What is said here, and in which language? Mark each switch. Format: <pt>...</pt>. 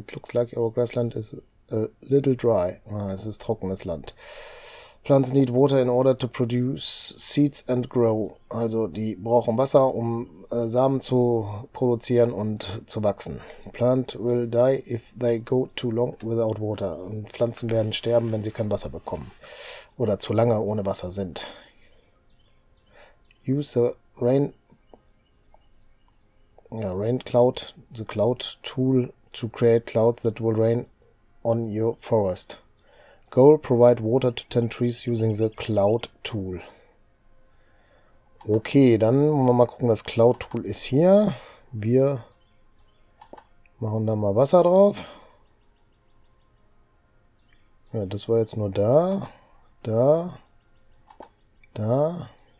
<en>It looks like our grassland is a little dry. Ah, es ist trockenes Land. Plants need water in order to produce seeds and grow.</en> <de>Also die brauchen Wasser, um Samen zu produzieren und zu wachsen.</de> <en>Plant will die if they go too long without water.</en> <de>Und Pflanzen werden sterben, wenn sie kein Wasser bekommen. Oder zu lange ohne Wasser sind. Use the rain...</de> <en>Ja, rain cloud, the cloud tool to create clouds that will rain on your forest. Goal, provide water to 10 trees using the Cloud Tool.</en> <de>Okay, dann wollen wir mal gucken, das Cloud Tool ist hier. Wir machen da mal Wasser drauf. Ja, das war jetzt nur da. Da. Da.</de>